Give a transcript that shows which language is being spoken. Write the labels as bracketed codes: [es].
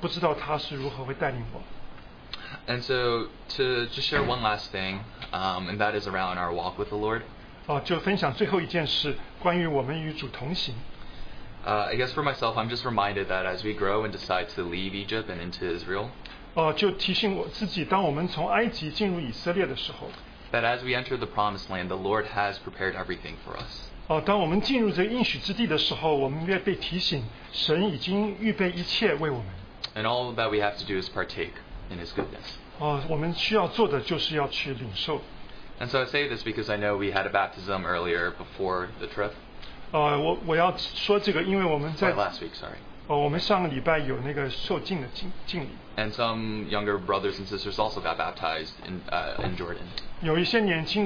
[zh] 所以要结束的时候，我还不知道神如何为我预备以后的脚步。我这段时间我也有一些面谈，不知道他是如何会带领我。And [en] so to just share one last thing, and that is around our walk with the Lord. [zh] 就分享最后一件事，关于我们与主同行。 [en] I guess for myself, I'm just reminded that as we grow and decide to leave Egypt and into Israel, [zh] 就提醒我自己，当我们从埃及进入以色列的时候， [en] that as we enter the promised land, the Lord has prepared everything for us. [zh] 当我们进入这应许之地的时候，我们便被提醒，神已经预备一切为我们。 [en] And all that we have to do is partake in His goodness. [zh] 我们需要做的就是要去领受。 [en] And so I say this because I know we had a baptism earlier before the trip. [zh] 我要说这个，因为我们在 [en] last week, sorry. [zh] 我们上个礼拜有那个受浸的浸礼。 [en] And some younger brothers and sisters also got baptized in Jordan.